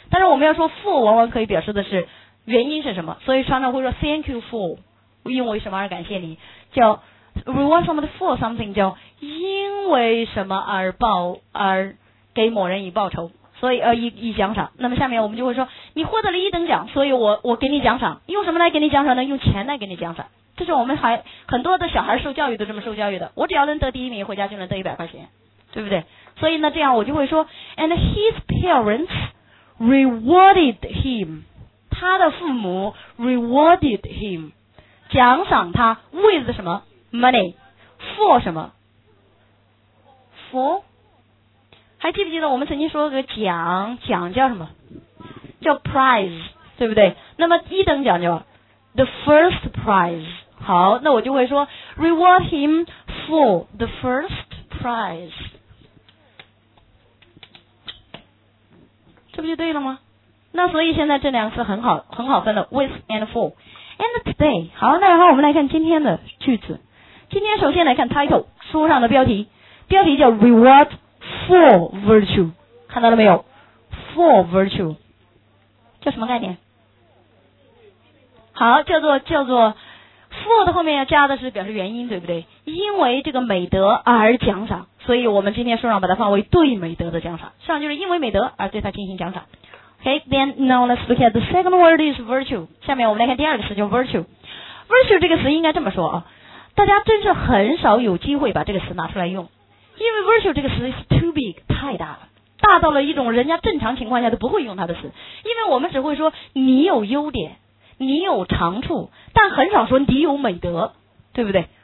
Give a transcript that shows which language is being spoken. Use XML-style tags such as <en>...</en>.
<zh>但是我们要说 for 往往可以表示的是原因是什么，所以常常会说</zh> <en>thank you for，</en> <zh>因为什么而感谢你，叫</zh> <en>reward somebody for something</en> <zh>叫因为什么而报而给某人以报酬，所以以奖赏。那么下面我们就会说你获得了一等奖，所以我给你奖赏。用什么来给你奖赏呢？用钱来给你奖赏。这是我们还很多的小孩受教育都这么受教育的，我只要能得第一名回家就能得100块钱，对不对？所以呢这样我就会说</zh> <en>and his parents rewarded him，</en> <zh>他的父母 rewarded him， 奖赏他 with 什么 money， for 什么 for。还记不记得我们曾经说个奖叫什么？叫 prize， 对不对？那么一等奖叫</zh> <en>the first prize。</en> <zh>好，那我就会说</zh> <en>reward him for the first prize，</en> <zh>这不就对了吗？那所以现在这两个词很好分的 with and for and today。好，那然后我们来看今天的句子。今天首先来看 title， 书上的标题，标题叫</zh> <en>reward for virtue，</en> <zh>看到了没有？ for virtue 叫什么概念？好，叫做 for 的后面要加的是表示原因，对不对？因为这个美德而奖赏，所以我们今天书上把它放为对美德的奖赏，实际上就是因为美德而对它进行奖赏。</zh> <en>Okay, then now let's look at the second word is virtue.</en> <zh>下面我们来看第二个词叫 virtue。Virtue 这个词应该这么说啊，大家真是很少有机会把这个词拿出来用，因为 virtue 这个词</zh> <en>is too big，</en> <zh>太大了，大到了一种人家正常情况下都不会用它的词，因为我们只会说你有优点，你有长处，但很少说你有美德，对不对？</zh>